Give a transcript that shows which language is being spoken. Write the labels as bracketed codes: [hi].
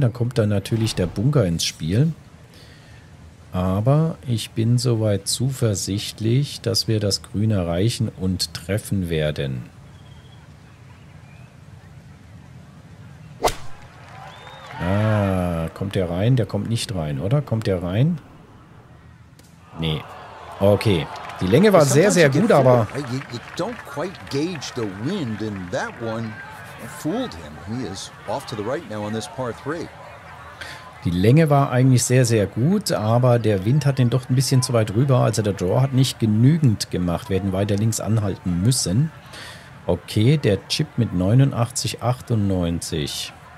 [de] Da kommt dann natürlich der Bunker ins Spiel. Aber ich bin soweit zuversichtlich, dass wir das Grün erreichen und treffen werden. Ah, kommt der rein? Der kommt nicht rein, oder? Kommt der rein? Nee. Okay, die Länge war sehr, sehr gut, aber [en] you don't quite gauge the wind, and that one fooled him. He is off to the right now on this par 3. [de] Die Länge war eigentlich sehr, sehr gut, aber der Wind hat den doch ein bisschen zu weit rüber. Also der Draw hat nicht genügend gemacht. Wir hätten weiter links anhalten müssen. Okay, der Chip mit 89,98.